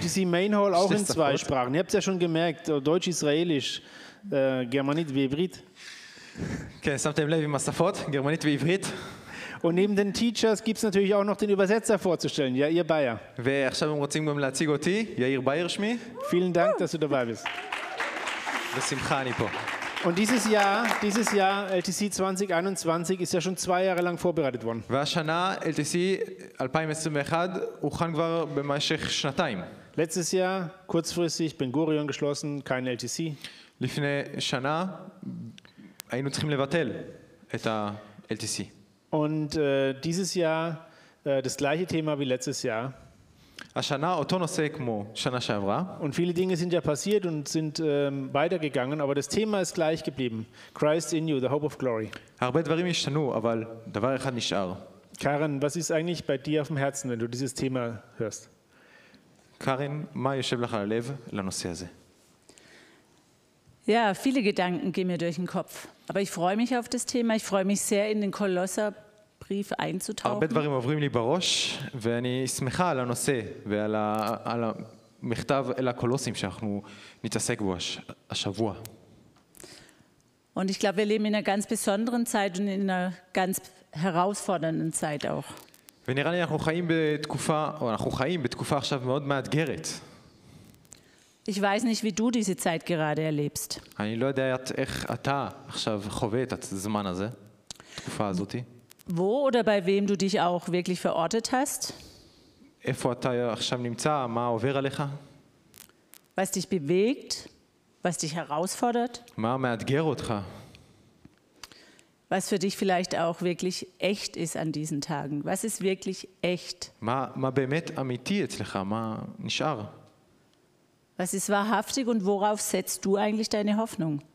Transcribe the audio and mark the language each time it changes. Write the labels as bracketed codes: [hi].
[de] LTC Main Hall auch in zwei Sprachen. Ihr habt es ja schon gemerkt, Deutsch-Israelisch, Germanit wie Hebrid. Okay, samtem Levi Massafort, Germanit wie Hebrid. Und neben den Teachers gibt es natürlich auch noch den Übersetzer vorzustellen, Yair Bayer. [he] ועכשיו הם רוצים גם להציג אותי, Yair Bayer שמי. [de] Vielen Dank, dass du dabei bist. [he] בשמחה אני פה. [de] Und dieses Jahr, LTC 2021, ist ja schon zwei Jahre lang vorbereitet worden. [he] והשנה, LTC 2021, הוכן כבר במשך שנתיים. [de] Letztes Jahr, kurzfristig, Ben Gurion geschlossen, kein LTC. [he] לפני שנה, היינו צריכים לבטל את ה-LTC. [de] Und dieses Jahr das gleiche Thema wie letztes Jahr. [he] השנה, אותו נושא כמו שנה שעברה. [de] Und viele Dinge sind ja passiert und sind weitergegangen, aber das Thema ist gleich geblieben. [en] Christ in you, the hope of glory. [he] הרבה דברים השתנו, אבל דבר אחד נשאר. [de] Karin, was ist eigentlich bei dir auf dem Herzen, wenn du dieses Thema hörst? [he] Karin, מה יושב לך על הלב לנושא הזה? [de] Ja, viele Gedanken gehen mir durch den Kopf. Aber ich freue mich auf das Thema. Ich freue mich sehr, in den Kolosserbrief einzutauchen. [he] הרבה דברים עוברים לי בראש, ואני שמחה על הנושא ועל המכתב אל הקולוסים שאנחנו נתעסק בו השבוע. [de] Und ich glaube, wir leben in einer ganz besonderen Zeit und in einer ganz herausfordernden Zeit auch. [he] ונראה לי, אנחנו חיים בתקופה עכשיו מאוד מאתגרת. [de] Ich weiß nicht, wie du diese Zeit gerade erlebst. [he] אני לא יודע איך אתה עכשיו חווה את הזמן הזה, התקופה הזאת. [de] Wo oder bei wem du dich auch wirklich verortet hast? [he] איפה אתה עכשיו נמצא, מה עובר עליך? [de] was dich bewegt, was dich herausfordert, was für dich vielleicht auch wirklich echt ist an diesen Tagen. Was ist wirklich echt? Was ist wahrhaftig und worauf setzt du eigentlich deine Hoffnung?